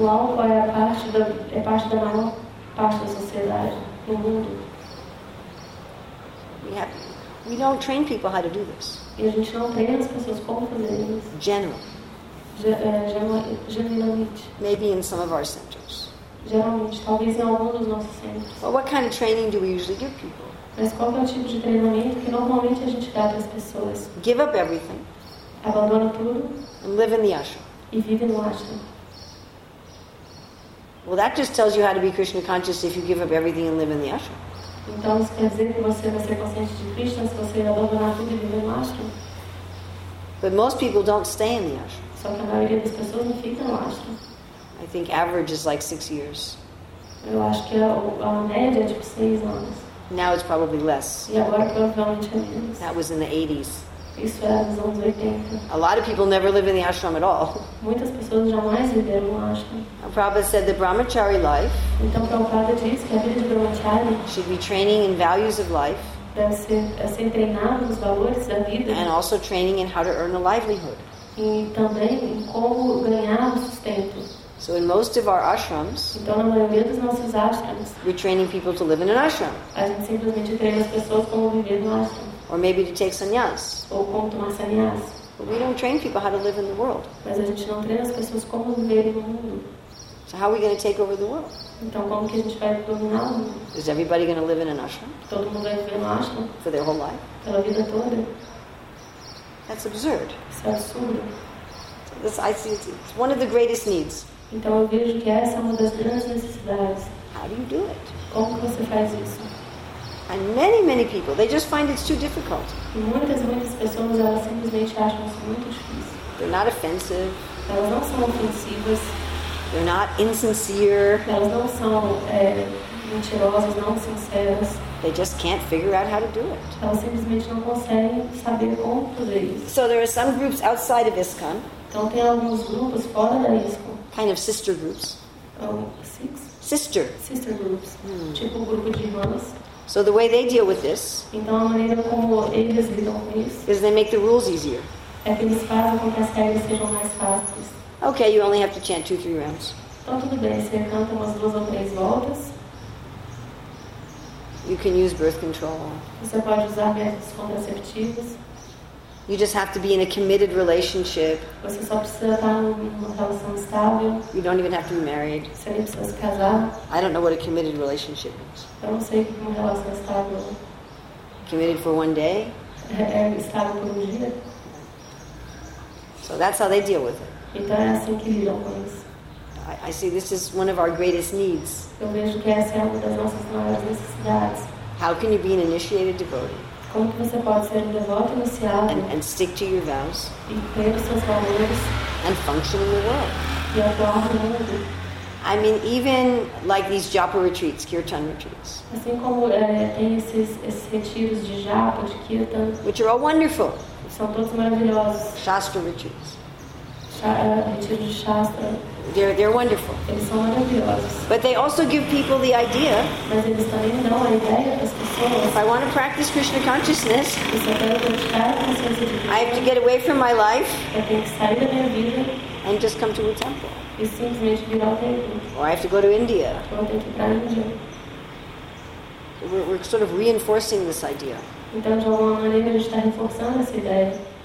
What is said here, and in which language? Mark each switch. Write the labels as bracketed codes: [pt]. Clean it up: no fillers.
[pt] O álcool é parte da maior parte da sociedade no mundo. [en] We don't train people how to do this. [pt] E a gente não treina as pessoas como fazer isso. Geralmente. [en] Maybe in some of our centers. [pt] Geralmente, talvez em algum dos nossos centros. [en] But what kind of training do we usually give people? [pt] Mas qual é o tipo de treinamento que normalmente a gente dá para as pessoas? [en] Give up everything. [pt] Abandona tudo. [en] And live in the ashram. [pt] E vive no ashram. [en] Well, that just tells you how to be Krishna conscious if you give up everything and live in the ashram. [pt] Então, isso quer dizer que você vai ser consciente de Krishna se você abandonar tudo e viver no ashram. [en] But most people don't stay in the ashram. [pt] Só que a maioria das pessoas não fica no ashram. [en] I think average is like 6 years. [pt] Eu acho que a média é tipo 6 anos. [en] Now it's probably less. [pt] E agora provavelmente é menos. [en] That was in the 80s. [pt] Isso era nos anos 80. [en] A lot of people never live in the ashram at all. [pt] Muitas pessoas jamais viveram no ashram. [en] Prabhupada said the brahmachari life, [pt] então, Prabhupada diz que a vida de brahmachari [en] should be training in values of life, [pt] deve ser treinado nos valores da vida, [en] and also training in how to earn a livelihood. [pt] E também em como ganhar o sustento. [en] So in most of our ashrams, [pt] então, na maioria dos nossos ashrams, [en] we're training people to live in an ashram. [pt] A gente simplesmente treina as pessoas como viver no ashram. [en] Or maybe to take sannyas. [pt] Ou como tomar sannyas. [en] But we don't train people how to live in the world. [pt] Mas a gente não treina as pessoas como viver no mundo. [en] So how are we going to take over the world? [pt] Então como que a gente vai dominar o mundo? [en] Is everybody going to live in an ashram? [pt] Todo mundo vai viver no ashram? [en] For their whole life? [pt] Pela vida toda? [en] That's absurd. [pt] Isso é absurdo. [en] So this, I see, it's one of the greatest needs. [pt] Então eu vejo que essa é uma das grandes necessidades. [en] How do you do it? [pt] Como que você faz isso? [en] And many, many people, they just find it's too difficult. [pt] Muitas, muitas pessoas, elas simplesmente acham isso muito difícil. [en] They're not offensive. [pt] Elas não são ofensivas. [en] They're not insincere. [pt] Elas não são mentirosas, não sinceras. [en] They just can't figure out how to do it. [pt] Elas simplesmente não conseguem saber como fazer isso. [en] So there are some groups outside of ISKCON. [pt] Então tem alguns grupos fora da ISKCON. [en] Kind of sister groups. Sister groups. [pt] Tipo grupo de irmãs. [en] So the way they deal with this, [pt] então, a maneira como eles lidam com isso, [en] is they make the rules easier. [pt] É que eles fazem com que as regras sejam mais fáceis. [en] Okay, you only have to chant 2-3 rounds. [pt] Então tudo bem, você canta umas 2 ou 3 voltas. [en] You can use birth control. [pt] Você pode usar métodos contraceptivos. [en] You just have to be in a committed relationship. [pt] Você só precisa estar numa relação estável. [en] You don't even have to be married. [pt] Você nem precisa se casar. [en] I don't know what a committed relationship means. [pt] Eu não sei o que é uma relação estável. [en] Committed for one day? [pt] É estável por dia. [en] So that's how they deal with it. [pt] Então é assim que lidam com isso. [en] I see this is one of our greatest needs. [pt] Eu vejo que essa é uma das nossas maiores necessidades. [en] How can you be an initiated devotee? [pt] Como que você pode ser um devoto inicial? [en] And stick to your vows. [pt] E ter os seus valores. [en] And function in the world. [pt] E atuar no mundo. [en] I mean, even like these japa retreats, kirtan retreats. [pt] Assim como tem esses retiros de japa, de kirtan. [en] Which are all wonderful. [pt] São todos maravilhosos. [en] Shastra retreats. [pt] Retiros de shastra. [en] They're wonderful. [pt] Eles são maravilhosos. [en] But they also give people the idea. [pt] Mas eles também dão a ideia para as pessoas. [en] If I want to practice Krishna consciousness, [pt] se eu quero praticar a consciência de Krishna, [en] I have to get away from my life. [pt] Eu tenho que sair da minha vida. [en] And just come to a temple. [pt] E simplesmente vir ao templo. [en] Or I have to go to India. [pt] Ou tenho que ir para a Índia. [en] We're sort of reinforcing this idea. [pt] Então, de alguma maneira, a gente está reforçando essa ideia.